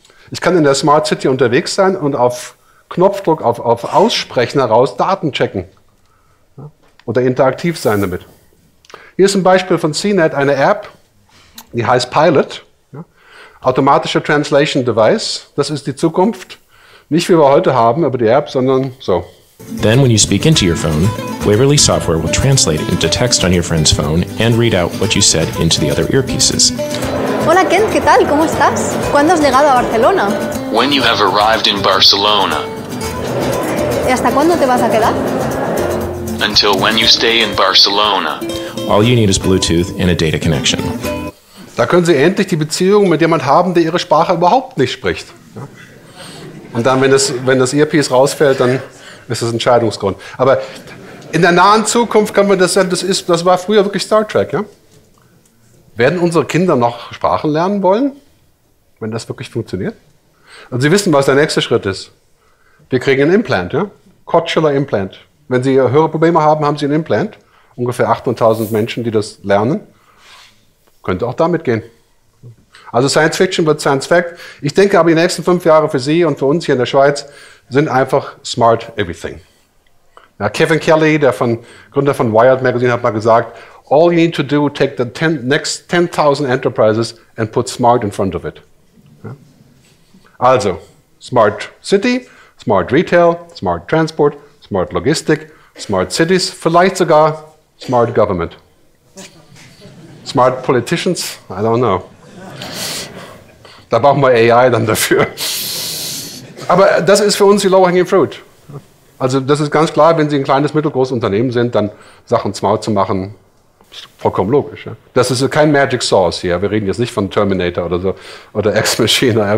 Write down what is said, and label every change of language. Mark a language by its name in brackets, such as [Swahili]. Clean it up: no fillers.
[German] Ich kann in der Smart City unterwegs sein und auf Knopfdruck, auf Aussprechen heraus Daten checken. Oder interaktiv sein damit. Hier ist ein Beispiel von CNET, eine App, die heißt Pilot, ja? Automatischer Translation Device. Das ist die Zukunft. Nicht wie wir heute haben, aber die App, sondern so. [English] Then when you speak into your phone, Waverly Software will translate into text on your friend's phone and read out what you said into the other earpieces. [Spanish] Hola Kent, ¿qué tal? ¿Cómo estás? ¿Cuándo has llegado a Barcelona? [English] When you have arrived in Barcelona. [Spanish] ¿Y hasta cuándo te vas a quedar? [English] Until when you stay in Barcelona. All you need is Bluetooth and a data connection. [German] Da können Sie endlich die Beziehung mit jemand haben, der Ihre Sprache überhaupt nicht spricht. Und dann, wenn das Earpiece rausfällt, dann ist das Entscheidungsgrund. Aber in der nahen Zukunft kann man das sagen, das war früher wirklich Star Trek. Ja? Werden unsere Kinder noch Sprachen lernen wollen, wenn das wirklich funktioniert? Und Sie wissen, was der nächste Schritt ist. Wir kriegen ein Implant, ja? Cochlear Implant. Wenn Sie Hörprobleme haben, haben Sie ein Implant. Ungefähr 800.000 Menschen, die das lernen. Könnte auch damit gehen. Also Science Fiction wird Science Fact. Ich denke aber, die nächsten 5 Jahre für Sie und für uns hier in der Schweiz sind einfach Smart Everything. Ja, Kevin Kelly, der Gründer von Wired Magazine, hat mal gesagt, [English] All you need to do, take the next 10,000 enterprises and put smart in front of it. Also, smart city, smart retail, smart transport, smart logistic, smart cities, [German] vielleicht sogar [English] smart government. Smart politicians, I don't know. [German] Da brauchen wir AI dann dafür. Aber das ist für uns die low-hanging fruit. Also das ist ganz klar, wenn Sie ein kleines, mittelgroßes Unternehmen sind, dann Sachen smart zu machen, ist vollkommen logisch. Ja? Das ist kein Magic Sauce hier. Wir reden jetzt nicht von Terminator oder so oder Ex-Machina. Ja?